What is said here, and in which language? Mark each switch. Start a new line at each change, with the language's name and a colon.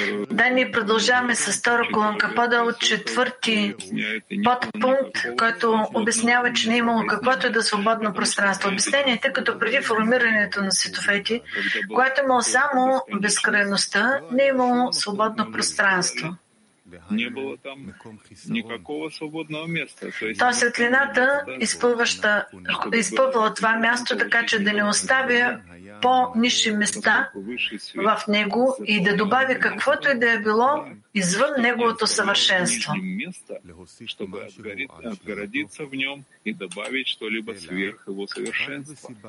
Bulgarian: Да, ние продължаваме с втора колонка, по-долу четвърти подпункт, който обяснява, че не е имало каквото и да свободно пространство. Обяснение, тъй като преди формирането на светофети, което имало само безкрайността, не е имало свободно пространство.
Russian: Не было там никакого свободного места. То есть
Bulgarian: светлината, изпълвала това място, така че да не оставя по-ниши места в него и да добави каквото и да е било извън неговото съвършенство.
Russian: Чтобы отгородиться в нем и добавить что-либо сверх его совершенства.